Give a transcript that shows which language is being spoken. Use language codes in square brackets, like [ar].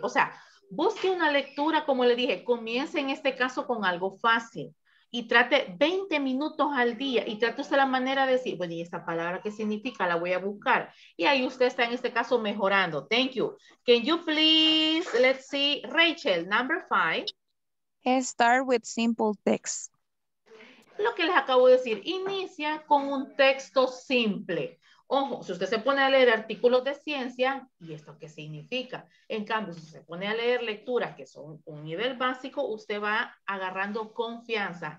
[es] O sea, busque una lectura, como le dije, comience en este caso con algo fácil. Y trate 20 minutos al día y trate usted la manera de decir, bueno, ¿y esta palabra qué significa? La voy a buscar. Y ahí usted está en este caso mejorando. [en] Thank you. Can you please, let's see, Rachel, number five. Start with simple text. [es] Lo que les acabo de decir, inicia con un texto simple. Ojo, si usted se pone a leer artículos de ciencia, ¿y esto qué significa? En cambio, si se pone a leer lecturas que son un nivel básico, usted va agarrando confianza.